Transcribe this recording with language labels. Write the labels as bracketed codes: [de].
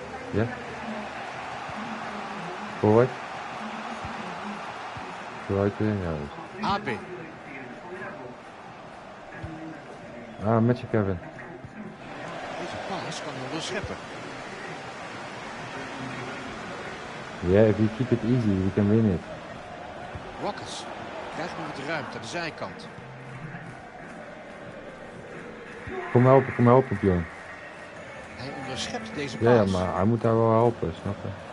[nl] Ja? Yeah. Voorwaarts. Vooruit erin, ja. AP. Ah, met je, Kevin. Deze pas kan hem wel scheppen. [en] Yeah, if you keep it easy, we can win it. [nl] Rockets, krijg nu wat ruimte aan de zijkant. Kom helpen, Björn. Hij onderschept deze pas. Ja, yeah, maar hij moet daar wel helpen, snap je?